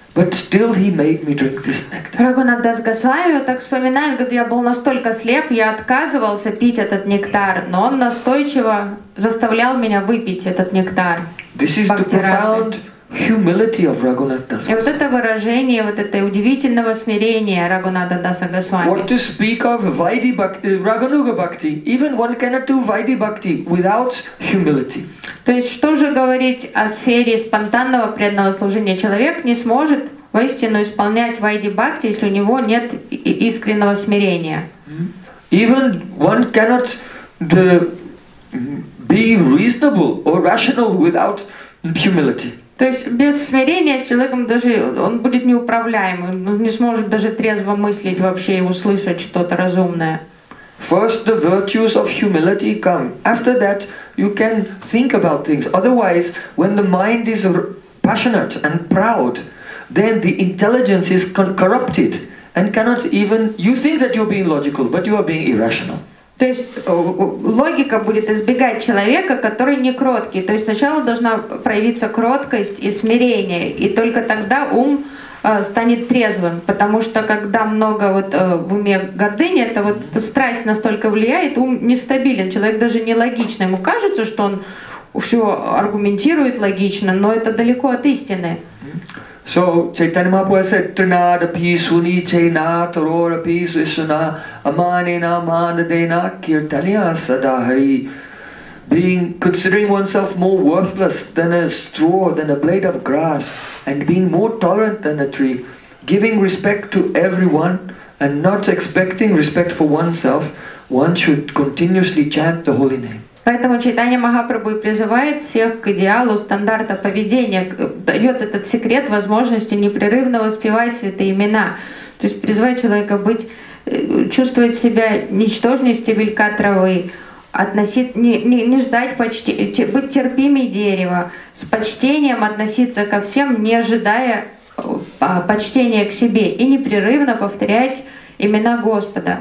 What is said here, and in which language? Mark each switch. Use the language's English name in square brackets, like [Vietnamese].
[English] But still he made me drink this nectar. [Russian] Рагхунатха Дас Госвами так вспоминает, говорит, я был настолько слеп, я отказывался пить этот нектар, но он настойчиво заставлял меня выпить этот нектар. [English] This is the profound humility of Raghunatha Das. [Russian] И вот это выражение вот этой удивительного смирения Рагхунатха Даса Госвами. [English] What to speak of Vaidhi Bhakti, Raghunuga Bhakti? Even one cannot do Vaidhi Bhakti without humility. [Russian] То есть что же говорить о сфере спонтанного преданного служения? Человек не сможет воистину исполнять Vaidhi Bhakti, если у него нет искреннего смирения. [English] Even one cannot be reasonable or rational without humility. [Russian] То есть без смирения с человеком даже он будет неуправляемым, он не сможет даже трезво мыслить вообще и услышать что-то разумное. [English] First the virtues of humility come. After that you can think about things. Otherwise, when the mind is passionate and proud, then the intelligence is corrupted and cannot even. You think that you're being logical, but you are being irrational. [Russian] То есть логика будет избегать человека, который не кроткий. То есть сначала должна проявиться кроткость и смирение, и только тогда ум станет трезвым, потому что когда много вот в уме гордыни, это вот страсть настолько влияет, ум нестабилен, человек даже нелогичный, ему кажется, что он все аргументирует логично, но это далеко от истины. [English] So, Chaitanya Mahaprabhu said, [Sanskrit] Trinada Pisuni Chaina Tarora Pisuna Amanena Manadena Kirtanya Sadahari. [English] Being, considering oneself more worthless than a straw, than a blade of grass, and being more tolerant than a tree, giving respect to everyone and not expecting respect for oneself, one should continuously chant the holy name. [Russian] Поэтому Чайтанья Махапрабху призывает всех к идеалу стандарта поведения, дает этот секрет возможности непрерывно воспевать святые имена. То есть призывает человека быть, чувствовать себя ничтожнее стебелька травы, относить, не ждать почти, быть терпимее дерева, с почтением относиться ко всем, не ожидая почтения к себе, и непрерывно повторять имена Господа.